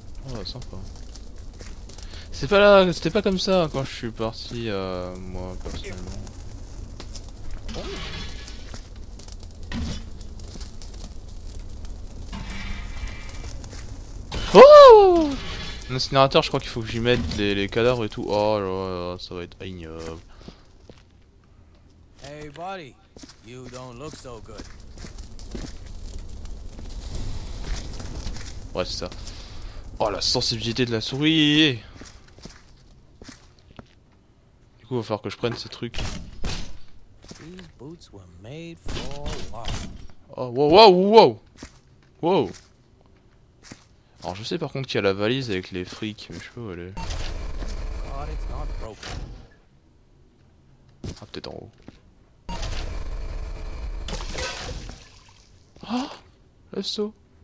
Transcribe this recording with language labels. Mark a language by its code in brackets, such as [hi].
[fr] Oh, sympa. C'est pas là, c'était pas comme ça quand je suis parti, moi, personnellement. Oh! L'incinérateur, je crois qu'il faut que j'y mette les cadavres et tout. Oh là là, ça va être ignoble. [en] Hey buddy, you don't look so good. [fr] Ouais, c'est ça. Oh, la sensibilité de la souris! Du coup, il va falloir que je prenne ces trucs. [en] These boots were made for walking. Oh, wow, wow, wow! Wow! [fr] Alors, je sais par contre qu'il y a la valise avec les frics, mais je peux aller. [en] God, it's not broken. [fr] Ah, peut-être en haut. Le saut.